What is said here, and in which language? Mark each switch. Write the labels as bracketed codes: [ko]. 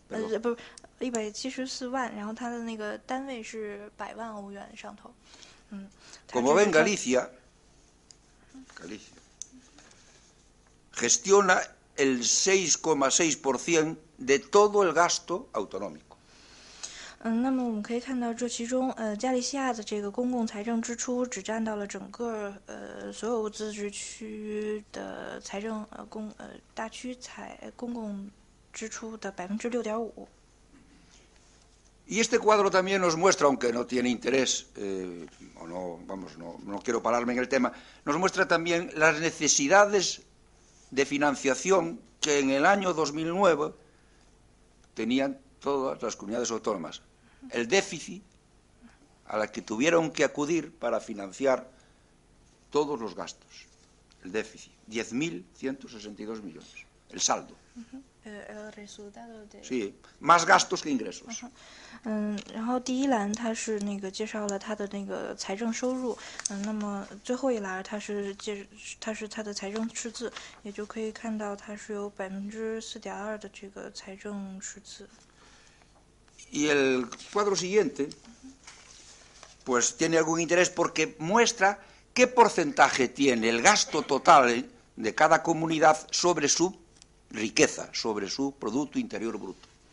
[zh] 174万，然后它的那个单位是百万欧元上头。嗯、 [es] como ven, Galicia gestiona el 6,6% de todo el gasto autonómico. [zh] 嗯，那么我们可以看到，这其中，加利西亚的这个公共财政支出只占到了整个，所有自治区的财政，大区财公共支出的6.5%。 [es] Y este cuadro también nos muestra, aunque no tiene interés, o no, vamos, no quiero pararme en el tema, nos muestra también las necesidades de financiación que en el año 2009 tenían todas las comunidades autónomas. El déficit a la que tuvieron que acudir para financiar todos los gastos. El déficit, 10.162 millones, el saldo. El resultado de... Sí, más gastos que ingresos. Uh-huh. [zh] 嗯，然后第一栏它是那个介绍了它的那个财政收入，嗯，那么最后一栏它是它的财政赤字，也就可以看到它是有4.2%的这个财政赤字。 [es] Y el cuadro siguiente, pues tiene algún interés porque muestra qué porcentaje tiene el gasto total de cada comunidad sobre su riqueza, sobre su Producto Interior Bruto.